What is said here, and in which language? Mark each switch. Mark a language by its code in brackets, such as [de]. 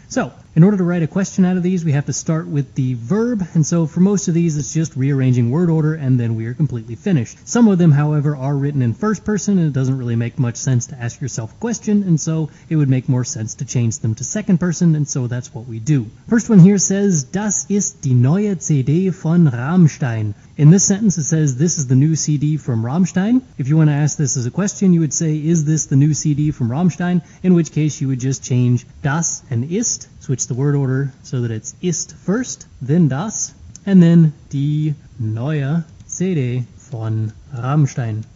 [en] So, in order to write a question out of these, we have to start with the verb, and so for most of these, it's just rearranging word order, and then we are completely finished. Some of them, however, are written in first person, and it doesn't really make much sense to ask yourself a question, and so it would make more sense to change them to second person, and so that's what we do. First one here says, [de] Das ist die neue CD von Rammstein. [en] In this sentence, it says, this is the new CD from Rammstein. If you want to ask this as a question, you would say, is this the new CD from Rammstein? In which case, you would just change das and ist, switch the word order so that it's ist first, then das, and then [de] die neue CD von Rammstein.